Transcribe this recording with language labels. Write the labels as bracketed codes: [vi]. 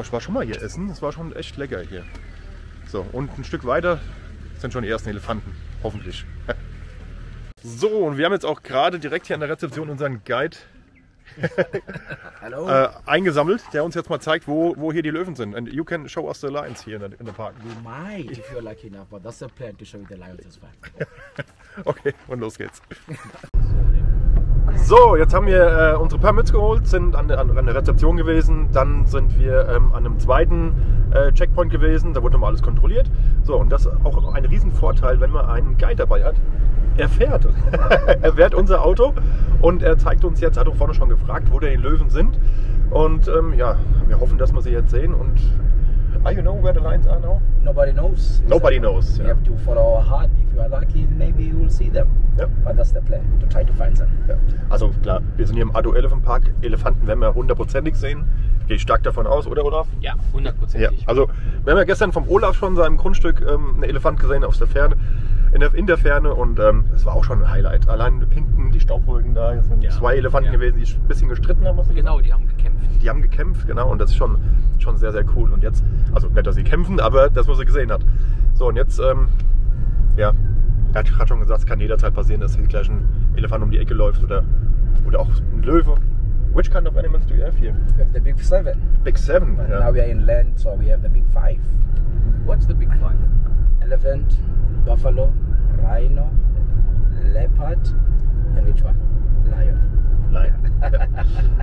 [de] Ich war schon mal hier essen. Es war schon echt lecker hier. So, und ein Stück weiter sind schon die ersten Elefanten, hoffentlich. So, und wir haben jetzt auch gerade direkt hier an der Rezeption unseren Guide Hallo. Eingesammelt, der uns jetzt mal zeigt, wo hier die Löwen sind. [en] And you can show us the lions here in the park. You might, if you're lucky enough, but that's the plan to show you the lions as well. [de] Okay, und los geht's. So, jetzt haben wir unsere Permits geholt, sind an der Rezeption gewesen, dann sind wir an einem zweiten Checkpoint gewesen, da wurde nochmal alles kontrolliert. So, und das ist auch ein Riesenvorteil, wenn man einen Guide dabei hat. Er fährt. Er fährt unser Auto und er zeigt uns jetzt, hat auch vorne schon gefragt, wo denn die Löwen sind. Und ja, wir hoffen, dass wir sie jetzt sehen. Und [en] are you know where the lines are now? Nobody knows. Nobody knows. You have to follow our heart. If you are lucky, maybe you will see them. [de] Ja. [en] But that's the plan, to try to find them. [de] Ja. Also klar, wir sind hier im Addo Elephant Park. Elefanten werden wir hundertprozentig sehen. Gehe ich stark davon aus, oder Olaf? Ja, hundertprozentig. Ja. Also wir haben ja gestern vom Olaf schon seinem Grundstück einen Elefant gesehen aus der Ferne, in der Ferne. Und es war auch schon ein Highlight. Allein hinten die Staubwolken da. Jetzt sind zwei Elefanten gewesen, die ein bisschen gestritten haben. Genau, gesagt. Die haben gekämpft. Die haben gekämpft, genau. Und das ist schon sehr, sehr cool. Und jetzt, also nicht, dass sie kämpfen, aber das, was sie gesehen hat. So, und jetzt, ja. Er hat gerade schon gesagt, es kann jederzeit passieren, dass hier gleich ein Elefant um die Ecke läuft oder auch ein Löwe. [en] Which kind of animals do you have here? We have the big seven. Big seven, and now we are in land, so we have the big five. What's the big five? Elephant, buffalo, rhino, leopard, and which one? Lion. Lion. Yeah.